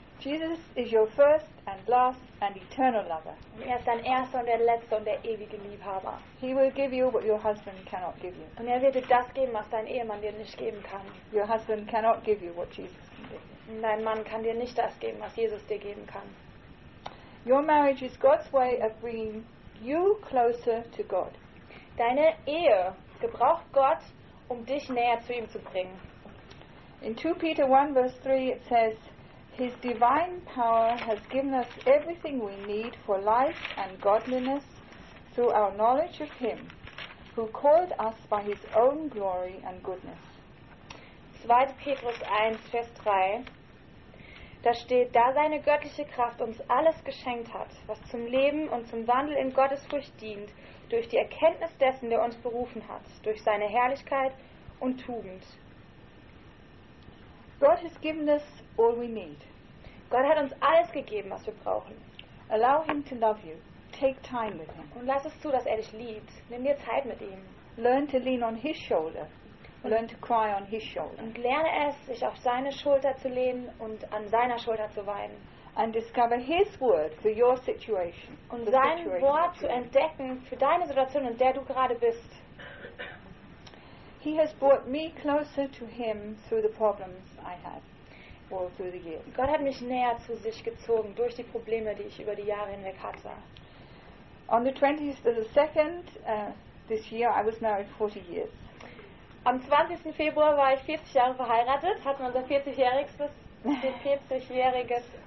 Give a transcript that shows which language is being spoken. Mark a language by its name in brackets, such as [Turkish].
[English] Jesus is your first and last and eternal lover. [German] Und er ist dein erster und der letzte und der ewige Liebhaber. [English] He will give you what your husband cannot give you. [German] Und er wird dir das geben, was dein Ehemann dir nicht geben kann. [English] Your husband cannot give you what Jesus can give you. [German] Dein Mann kann dir nicht das geben, was Jesus dir geben kann. [English] Your marriage is God's way of bringing you closer to God. [German] Deine Ehe gebraucht Gott, um dich näher zu ihm zu bringen. [English] In 2 Peter 1, verse 3, it says, His divine power has given us everything we need for life and godliness through our knowledge of Him, who called us by His own glory and goodness. [German] 2. Petrus 1, Vers 3. Da steht, da seine göttliche Kraft uns alles geschenkt hat, was zum Leben und zum Wandel in Gottesfurcht dient, durch die Erkenntnis dessen, der uns berufen hat, durch seine Herrlichkeit und Tugend. [English] God has given us all we need. [German] Gott hat uns alles gegeben, was wir brauchen. [English] Allow him to love you. Take time with him. [German] Und lass es zu, dass er dich liebt. Nimm dir Zeit mit ihm. [English] Learn to lean on his shoulder. Learn to cry on his shoulder. [German] Und lerne es, sich auf seine Schulter zu lehnen und an seiner Schulter zu weinen. [English] And discover his word for your situation. [German] Und sein Wort zu entdecken für deine Situation, in der du gerade bist. [English] He has brought me closer to him through the problems I had all through the years. [German] Gott hat mich näher zu sich gezogen durch die Probleme, die ich über die Jahre hinweg hatte. [English] On the 20th of the second this year, I was married 40 years. [German] Am 20. Februar war ich 40 Jahre verheiratet, hatten unser 40-jähriges